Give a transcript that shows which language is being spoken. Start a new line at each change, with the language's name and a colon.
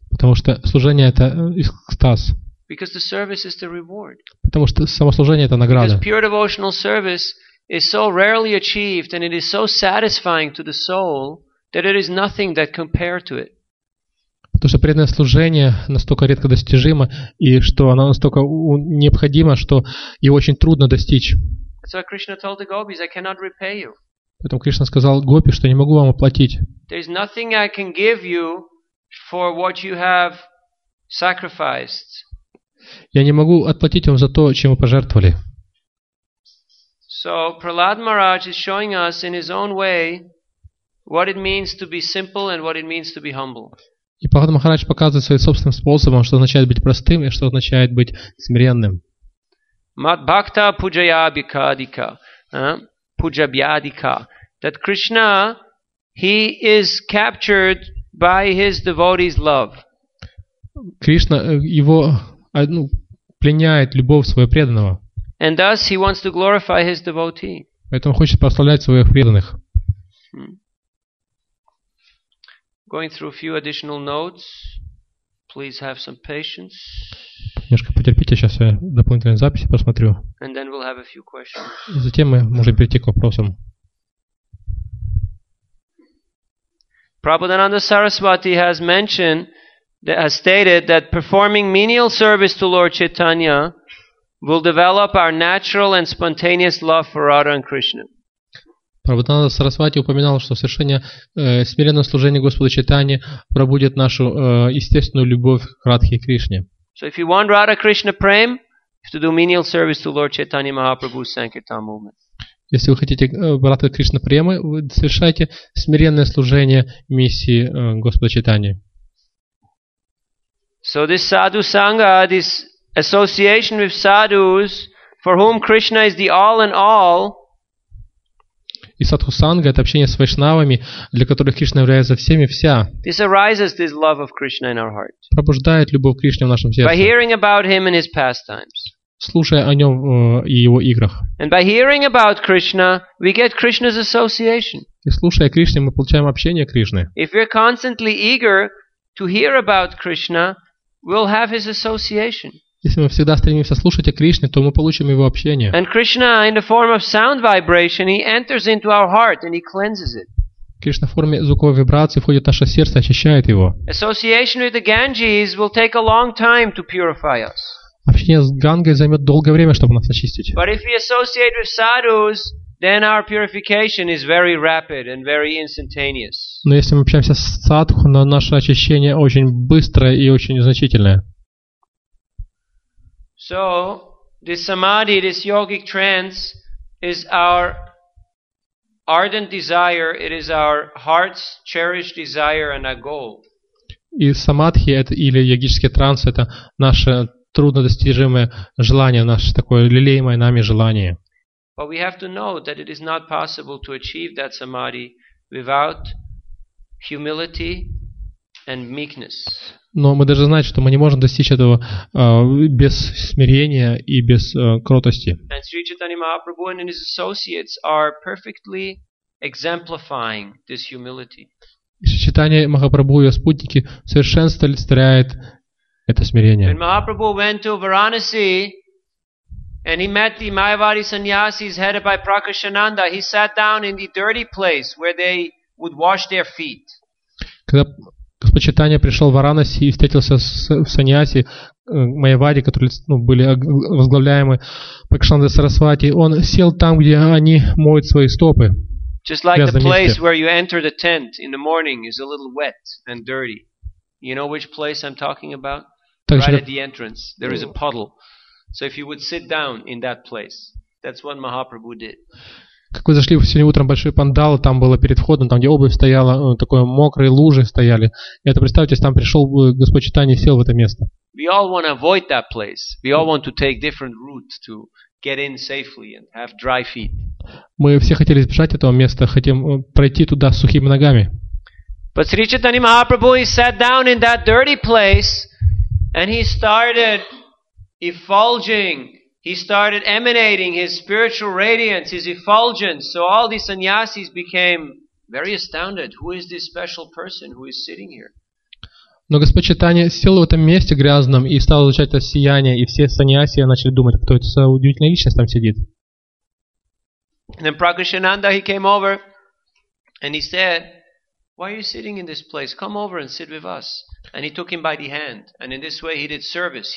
Russian: Потому что служение – это экстаз.
English: Because the service is the reward.
Russian: Потому что самослужение – это награда.
English: Because pure devotional service is so rarely achieved and it is so satisfying to the soul that it is nothing that compared to it.
Russian: То, что преданное служение настолько редко достижимо и что оно настолько необходимо, что его очень трудно достичь.
English: So Krishna told the gopis, I cannot repay you.
Russian: Поэтому Кришна сказал гопи, что не могу вам оплатить.
English: There is nothing I can give you for what you have sacrificed.
Russian: Я не могу отплатить вам за то, чем вы пожертвовали.
English: So Prahlad Maharaj is showing us in his own way what it means to be simple and what it means to be humble.
Russian: И Прахлад Махарадж показывает своим собственным способом, что означает быть простым и что означает быть смиренным.
Sanskrit: Мадбхакта пуджаябикадика. Пуджабьядика.
English: That Krishna, he is captured by his devotee's love.
Russian: Кришна, его пленяет любовь своего преданного.
English: And thus he wants to glorify his devotee.
Russian: Поэтому хочет прославлять своих преданных.
English: Going through a few additional notes. Please have some patience.
Russian: Немножко потерпите, сейчас я дополнительные записи посмотрю.
English: And then we'll have a few questions.
Russian: Затем мы можем перейти к вопросам.
English: Prabhupada Sarasvati has mentioned, that has stated that performing menial service to Lord Chaitanya will develop our natural and spontaneous love for Radha and Krishna.
Russian: Прабхупада Сарасвати упоминал, что совершение смиренного служения Господу Чайтанье пробудет нашу естественную любовь к Радхе и Кришне.
English: So if you want Radha Krishna prem, you have to do menial service to Lord Chaitanya Mahaprabhu's Sankirtan movement.
Russian: Если вы хотите Радха Кришна премы, вы совершайте смиренное служение миссии Господа Чайтанье.
English: So this sadhu sangha, this association with sadhus, for whom Krishna is the all in all.
Russian: И садху санга это общение с вайшнавами, для которых Кришна является всеми вся.
English: This arises this love of Krishna in our heart.
Russian: Пробуждает любовь к Кришне в нашем сердце.
English: By hearing about him in his pastimes.
Russian: Слушая о нем и его играх.
English: And by hearing about Krishna, we get Krishna's association.
Russian: И слушая Кришне, мы получаем общение Кришны.
English: If we're constantly eager to hear about Krishna, we'll have his association.
Russian: Если мы всегда стремимся слушать о Кришне, то мы получим его общение.
English: And Krishna, in the form of sound vibration, he enters into our heart and he cleanses it.
Russian: Кришна в форме звуковой вибрации входит в наше сердце, очищает его.
English: Association with the Ganges will take a long time to purify us.
Russian: Общение с Гангой займет долгое время, чтобы нас очистить.
English: But if we associate with sadhus, then our purification is very rapid and very instantaneous.
Russian: Но если мы общаемся с садху, то наше очищение очень быстрое и очень значительное.
English: So, this samadhi, this yogic trance, is our ardent desire, it is our heart's cherished desire and our goal.
Russian: И самадхи, или йогический транс, это наше труднодостижимое желание, наше такое лелеемое нами желание.
English: But we have to know that it is not possible to achieve that samadhi without humility and meekness.
Russian: Но мы должны знать, что мы не можем достичь этого без смирения и без кротости.
English: And Sri Chaitanya Mahaprabhu and his associates are perfectly exemplifying this humility.
Russian: Sri Chaitanya Mahaprabhu и его спутники совершенно олицетворяют это смирение.
English: When Mahaprabhu went to Varanasi and he met the Mayavadi sannyasis headed by Prakashananda, he sat down in the dirty place where they would wash their feet.
Russian: Когда Господь Чайтанья пришел в Варанаси и встретился с саньяси Майявади, которые были возглавляемы Пракшанды Сарасвати, он сел там, где они моют свои стопы.
English: Just like the place where you enter the tent in the morning is a little wet and dirty. You know which place I'm talking about? Right at the entrance. There is a puddle. So if you would sit down in that place, that's what Mahaprabhu did.
Russian: Как вы зашли сегодня утром в большой пандал, там было перед входом, там где обувь стояла, такое мокрые лужи стояли. И это представьте, если там пришел Господь Чайтанья и сел в это место.
English: We all want to avoid that place. We all want to take different routes to get in safely and have dry feet.
Russian: Мы все хотели избежать этого места, хотим пройти туда с сухими ногами.
English: But Sri Chaitanya Mahaprabhu, he sat down in that dirty place and he started effulging. He started emanating his spiritual radiance, his effulgence. So all these sannyasis became very astounded. Who is this special person who is sitting here?
Russian: Но Господь Чайтанья сел в этом месте грязном и стал излучать это сияние, и все сannyasi начали думать, кто это за удивительная личность там сидит.
English: Then Prakashananda, he came over and he said, "Why are you sitting in this place? Come over and sit with us." And he took him by the hand, and in this way he did service.